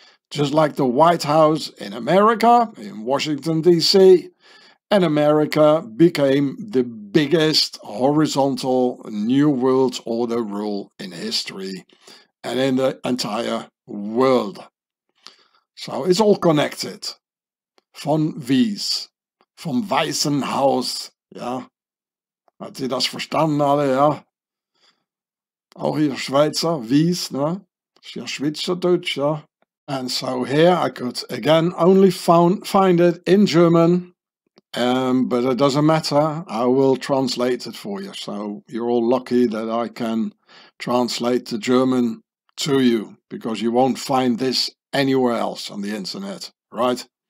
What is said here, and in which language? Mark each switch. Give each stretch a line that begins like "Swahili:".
English: Just like the White House in America, in Washington, D.C., and America became the biggest horizontal New World Order rule in history and in the entire world. So it's all connected.
German: Von Wyss, vom Weißen Haus, ja. Habt ihr das verstanden alle, ja? Auch hier Schweizer, Wyss, ne? Ist ja Schweizerdeutsch, ja.
English: And so here I could again only find it in German, but it doesn't matter. I will translate it for you. So you're all lucky that I can translate the German to you, because you won't find this anywhere else on the internet, right?